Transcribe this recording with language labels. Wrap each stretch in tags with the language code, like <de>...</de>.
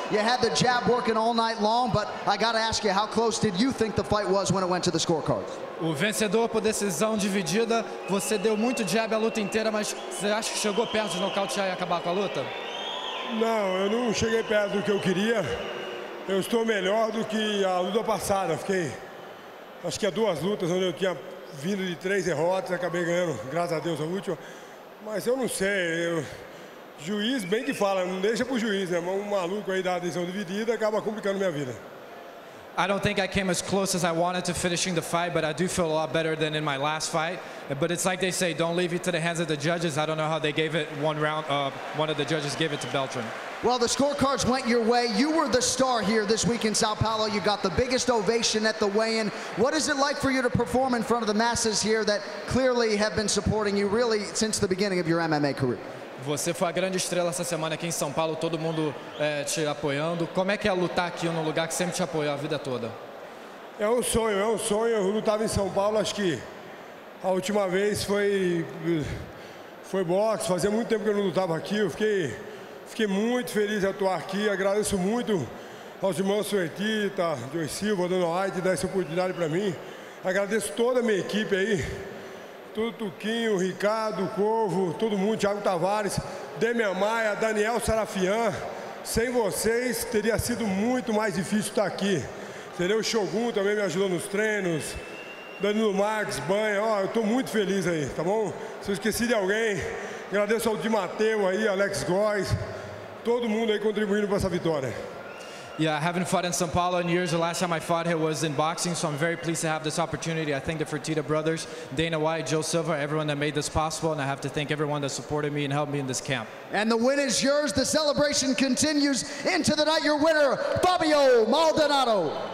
<en>You had the jab working all night long, but I gotta ask you, how close did you think the fight was when it went to the scorecard?</en> <pt>O vencedor por decisão dividida, você deu muito jab a luta inteira, mas você acha que chegou perto de nocautear e acabar com a luta? Não, eu não cheguei perto do que eu queria. Eu estou melhor do que a luta passada. Fiquei, acho que há duas lutas onde eu tinha vindo de três derrotas, acabei ganhando, graças a Deus, a última. Mas eu não sei, eu, juiz bem que fala, não deixa pro juiz, né? Um maluco aí da decisão dividida acaba complicando minha vida.</pt> <en>I don't think I came as close as I wanted to finishing the fight, but I do feel a lot better than in my last fight. But it's like they say, don't leave it to the hands of the judges. I don't know how they gave it one round, one of the judges gave it to Beltran. Well, the scorecards went your way. You were the star here this week in Sao Paulo. You got the biggest ovation at the weigh-in. What is it like for you to perform in front of the masses here that clearly have been supporting you really since the beginning of your MMA career?</en> <pt>Você foi a grande estrela essa semana aqui em São Paulo, todo mundo te apoiando. Como é que é lutar aqui num lugar que sempre te apoiou a vida toda? É um sonho, é um sonho. Eu lutava em São Paulo, acho que a última vez foi boxe. Fazia muito tempo que eu não lutava aqui. Eu fiquei muito feliz de atuar aqui. Agradeço muito aos irmãos Suetita, Joey Silva, Dono White, dar essa oportunidade para mim. Agradeço toda a minha equipe aí. Tudo Tuquinho, Ricardo, Corvo, todo mundo, Thiago Tavares, Demian Maia, Daniel Sarafian. Sem vocês teria sido muito mais difícil estar aqui. Seria o Shogun também me ajudou nos treinos. Danilo Marques, Banha, ó, eu tô muito feliz aí, tá bom? Se eu esqueci de alguém, agradeço ao Di Matteo aí, Alex Góes, todo mundo aí contribuindo para essa vitória.</pt> <en>Yeah, I haven't fought in São Paulo in years. The last time I fought here was in boxing, so I'm very pleased to have this opportunity. I thank the Fertitta brothers, Dana White, Joe Silva, everyone that made this possible, and I have to thank everyone that supported me and helped me in this camp. And the win is yours. The celebration continues into the night. Your winner, Fabio Maldonado.</en>